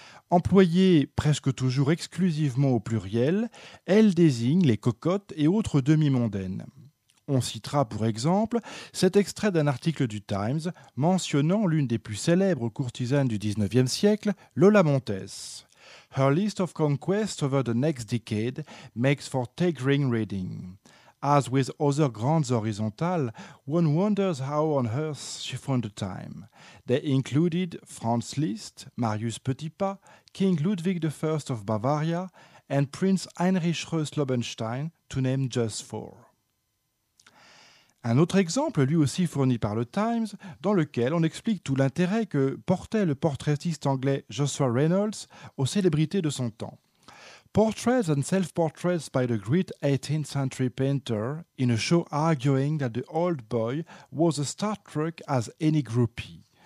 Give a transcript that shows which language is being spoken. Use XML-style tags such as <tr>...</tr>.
<fr>Employée presque toujours exclusivement au pluriel, elle désigne les cocottes et autres demi-mondaines. On citera pour exemple cet extrait d'un article du Times mentionnant l'une des plus célèbres courtisanes du XIXe siècle, Lola Montez.</fr> <en>« Her list of conquests over the next decade makes for staggering reading. » As with other grands horizontales, one wonders how on earth she found the time. They included Franz Liszt, Marius Petipa, King Ludwig I of Bavaria, and Prince Heinrich Reuss-Lobenstein, to name just four.</en> <fr>Un autre exemple, lui aussi fourni par le Times, dans lequel on explique tout l'intérêt que portait le portraitiste anglais Joshua Reynolds aux célébrités de son temps.</fr> <en>Portraits and self-portraits by the great 18th century painter in a show arguing that the old boy was a Star Trek as any groupie.</en>